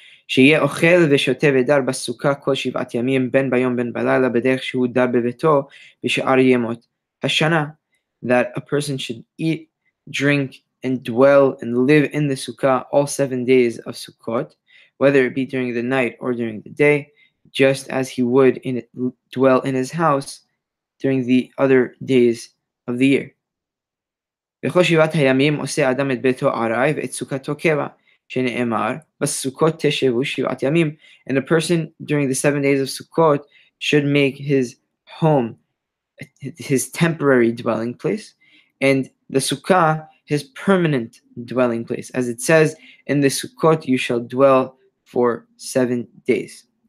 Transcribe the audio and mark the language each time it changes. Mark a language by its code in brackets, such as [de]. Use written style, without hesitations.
[he] שיהיה אוכל ושותה ודר בסוכה כל שבעת ימים, בין ביום בין בלילה, בדרך שהוא דר בביתו בשאר ימות השנה. [en] That a person should eat, drink, and dwell and live in the sukkah all 7 days of Sukkot, whether it be during the night or during the day, just as he would dwell in his house during the other days of the year. [he] בכל שבעת הימים עושה אדם את ביתו ארעי ואת סוכתו קבע, שנאמר, בסוכות תשבו שבעת ימים. [en] And a person during the 7 days of Sukkot should make his home his temporary dwelling place, and the Sukkah his permanent dwelling place. As it says, in the Sukkot you shall dwell for 7 days.